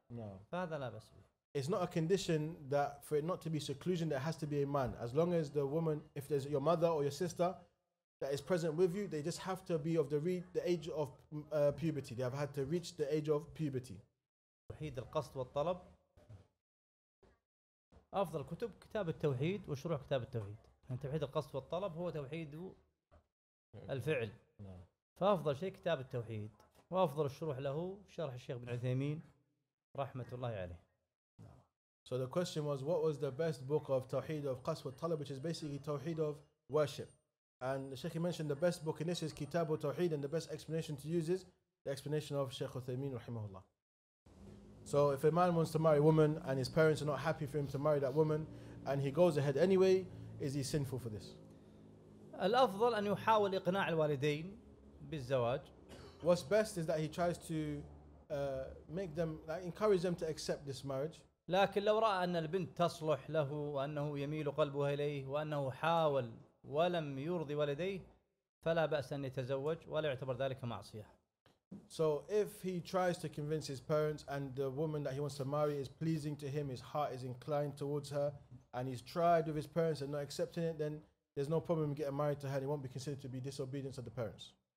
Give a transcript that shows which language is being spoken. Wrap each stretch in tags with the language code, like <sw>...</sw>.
<en>No.</en> <ar>فهذا لا بأس.</ar> <en>It's not a condition that for it not to be seclusion that it has to be a man. As long as the woman, if there's your mother or your sister that is present with you, they just have to be of the age of puberty. They have had to reach the age of puberty.</en> <ar>توحيد القصد والطلب. أفضل كتب كتاب التوحيد وشروح كتاب التوحيد. يعني توحيد القصد والطلب هو توحيد الفعل. فأفضل شيء كتاب التوحيد. وأفضل الشروح له شرح الشيخ بن عثيمين رحمة الله عليه.</ar> <en>So the question was, what was the best book of Tawheed of Qasw al-Talab, which is basically Tawheed of worship? And the Sheikh mentioned the best book in this is Kitab al-Tawheed, and the best explanation to use is the explanation of Sheikh Uthaymeen</en> <ar>رحمه الله.</ar> <en>So if a man wants to marry a woman and his parents are not happy for him to marry that woman, and he goes ahead anyway, is he sinful for this?</en> <ar>الأفضل أن يحاول إقناع الوالدين بالزواج.</ar> <en>What's best is that he tries to make them, like, encourage them to accept this marriage.</en> <ar>لكن لو رأى أن البنت تصلح له وأنه يميل قلبه إليه وأنه حاول ولم يرضي والديه فلا بأس أن يتزوج ولا يعتبر ذلك معصية.</ar> <en>So if he tries to convince his parents and the woman that he wants to marry is pleasing to him, his heart is inclined towards her, and he's tried with his parents and not accepting it, then there's no problem getting married to her. He won't be considered to be disobedience of the parents.</en>